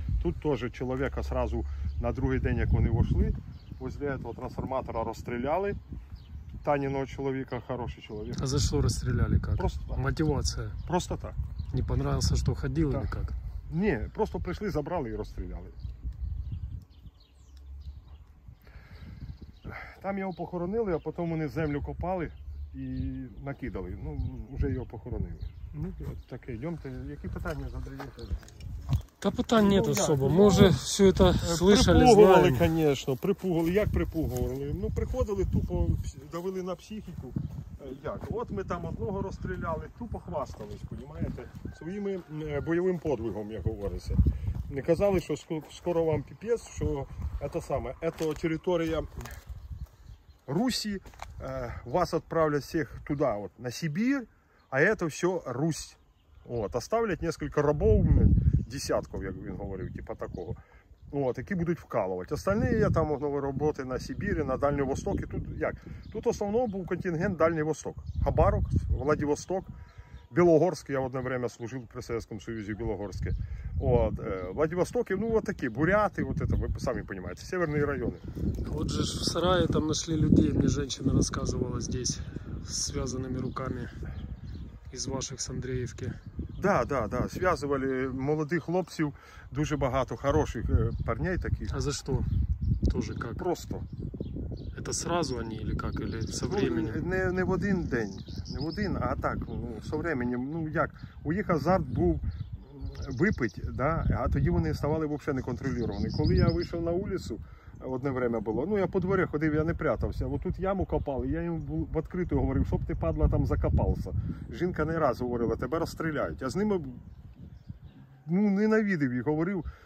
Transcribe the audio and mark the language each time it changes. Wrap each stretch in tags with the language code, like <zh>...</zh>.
<ru>Тут тоже человека сразу на другий день, как они вошли.</ru> <uk>Ось для этого трансформатора розстріляли. Таніного чоловіка, хороший чоловік. А за що розстріляли, як? Просто так. Мотивація. Просто так. Не понравилося, що ходив, так. Или як? Ні, просто прийшли, забрали і розстріляли. Там його похоронили, а потім вони землю копали і накидали. Ну, вже його похоронили. Ну, от таке, йдемте. Які питання задаєте?</uk> <ru>Та питань нет особо. Мы уже все это слышали, знаем.</ru> <uk>Припугували, конечно. Припугували. Як припугували? Ну, приходили, тупо давили на психіку. Як? От ми там одного розстріляли, тупо хвастались, понимаете? Своїми бойовим подвигом, як говориться. Не казали, що скоро вам піпець, що це саме, це територія Русі. Вас відправлять всіх туди, от, на Сибір, а це все Русь. От, оставлять кілька рабов. Десятков, як він говорив, типа такого. От, які будуть вкалувати. Остальні є там нові роботи на Сибірі, на Дальній Восток. І тут як? Тут основного був контингент Дальній Восток. Хабаровськ, Владивосток, Білогорськ. Я одне время служив при Совєтському Союзі в Білогорську. От, Владивосток, ну от такі, буряти, от це, ви самі розумієте, северні райони. От же ж в сараї там знайшли людей, мені жінка розказувала здесь, з зв'язаними руками із ваших з Андріївки.</uk> <ru>Да. Связывали молодых хлопцев,</ru> <uk>дуже багато</uk> <ru>хороших парней таких. А за что? Тоже как? Просто. Это сразу они или как? Или со временем? Ну, не в один день. Не в один, а так, ну, со временем.</ru> <uk>Ну, як? У них азарт був випить, да? А тоді вони ставали вообще неконтролювані. Коли я вийшов на вулицю, одне время було. Ну, я по дворі ходив, я не прятався. Ось тут яму копали, я їм в відкриту говорив, щоб ти, падла, там закопався. Жінка не раз говорила, тебе розстріляють. Я з ними, ну, ненавидів їх, говорив.</uk>